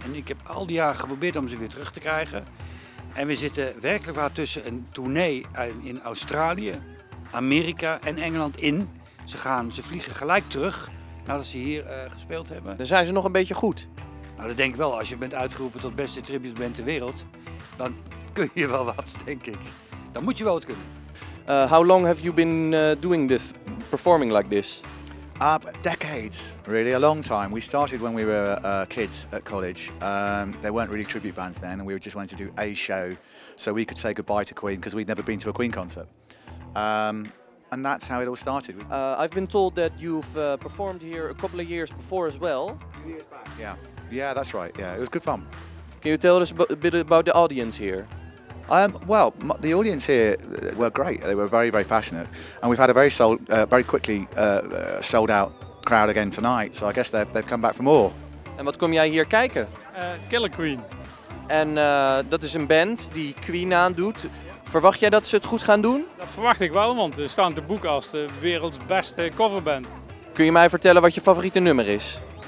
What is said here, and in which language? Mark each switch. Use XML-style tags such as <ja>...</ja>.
<nl>En ik heb al die jaren geprobeerd om ze weer terug te krijgen. En we zitten werkelijk waar tussen een tournee in Australië, Amerika en Engeland in. Ze vliegen gelijk terug nadat ze hier gespeeld hebben. Dan zijn ze nog een beetje goed. Nou, dat denk ik wel. Als je bent uitgeroepen tot beste tribute band ter wereld, dan kun je wel wat, denk ik. Dan moet je wel wat kunnen.</nl> <en>How long have you been doing this, performing like this? Decades, really, a long time. We started when we were kids at college. There weren't really tribute bands then, and we just wanted to do a show so we could say goodbye to Queen, because we'd never been to a Queen concert. And that's how it all started. I've been told that you've performed here a couple of years before as well. 2 years back. Yeah, that's right. Yeah, it was good fun. Can you tell us a bit about the audience here? The audience here were great. They were very, very passionate, and we've had a very quickly sold out crowd again tonight. So I guess they've come back for more.</en> <nl>En wat kom jij hier kijken? Killer Queen. En dat is een band die Queen aandoet. Verwacht jij dat ze het goed gaan doen? Dat verwacht ik wel, want ze staan te boeken als de werelds beste coverband. Kun je mij vertellen wat je favoriete nummer is?</nl>